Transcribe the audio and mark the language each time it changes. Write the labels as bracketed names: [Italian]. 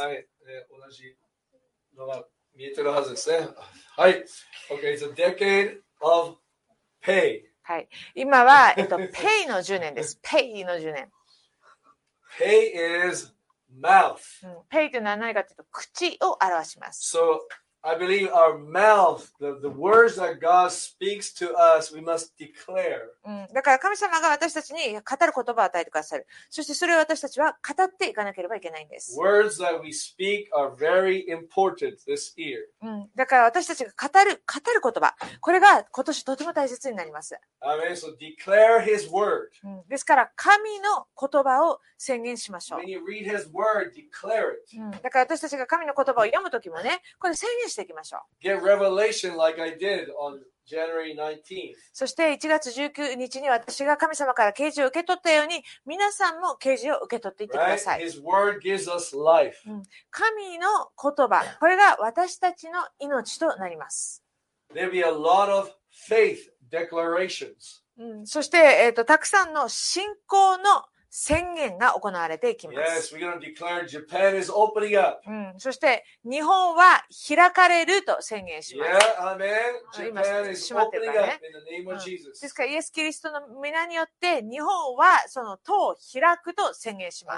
[Japanese] はい、同じのが見えてるはずですね。 [English] はい、OK、It's a decade of pay. [Japanese] はい、今は、ペイの10年です。ペイの10年。 [English] ペイ is mouth、 [Japanese] うん。ペイって何かというと、口を表します。 [English] So, I believe our mouth, the words that God speaks to us, we must declare.、 [Japanese] うん、だから神様が私たちに語る言葉を与えてくださる。そしてそれを私たちは語っていかなければいけないんです。 [English] Words that we speak are very important this year.、 [Japanese] うん、だから私たちが語る言葉、これが今年とても大切になります。 [English] Amen. So declare His word.、 [Japanese] うん、ですから神の言葉を宣言しましょう。 [English] When you read His word, declare it.、 [Japanese] うん、だから私たちが神の言葉を読むときもね、これ宣言していきましょう。 [English] Get revelation like I did on January 19th. [Japanese] そして1月19日に私が神様から啓示を受け取ったように、皆さんも啓示を受け取っていってください。 [English] Right? His word gives us life. [Japanese] 神の言葉、これが私たちの命となります。 [English] There'll be a lot of faith declarations. [Japanese] そして、たくさんの信仰の宣言が行われていきます。 [English] Yes, we're going to declare Japan is opening up. [Japanese] うん、そして日本は開かれると宣言します。 [English] Yeah, amen. Japan is opening up in the name of Jesus. [Japanese] ですからイエス・キリストの御名によって日本はその塔を開くと宣言します。